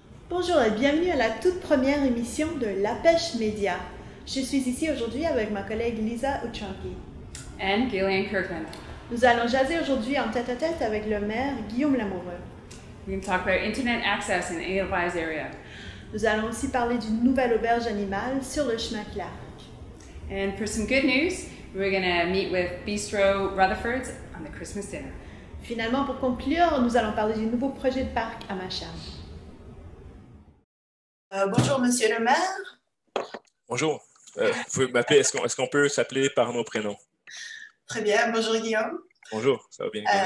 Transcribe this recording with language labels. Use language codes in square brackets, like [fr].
[fr] Bonjour et bienvenue à la toute première émission de La Pêche Média. Je suis ici aujourd'hui avec ma collègue Lisa Uchanki. [en] And Gillian Kirkman. [fr] Nous allons jaser aujourd'hui en tête-à-tête avec le maire Guillaume Lamoureux. [en] We can talk about internet access in Edelweiss area. [fr] Nous allons aussi parler d'une nouvelle auberge animale sur le chemin Clark. [en] And for some good news, we're going to meet with Bistro Rutherford's on the Christmas dinner. [fr] Finalement, pour conclure, nous allons parler du nouveau projet de parc à Masham. Bonjour, monsieur le maire. Bonjour. Vous pouvez m'appeler, est-ce qu'on peut s'appeler par nos prénoms? Très bien. Bonjour, Guillaume. Bonjour, ça va bien.